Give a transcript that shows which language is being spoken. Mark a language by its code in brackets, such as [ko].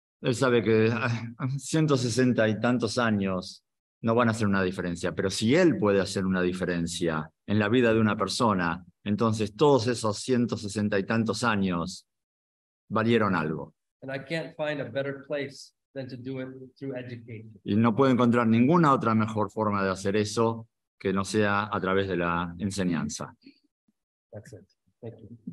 [es] Él sabe que 160 y tantos años no van a hacer una diferencia, pero si él puede hacer una diferencia en la vida de una persona, entonces todos esos 160 y tantos años valieron algo. [en] And I can't find a better place than to do it through education. [es] Y no puedo encontrar ninguna otra mejor forma de hacer eso que no sea a través de la enseñanza. [en] That's it. Thank you.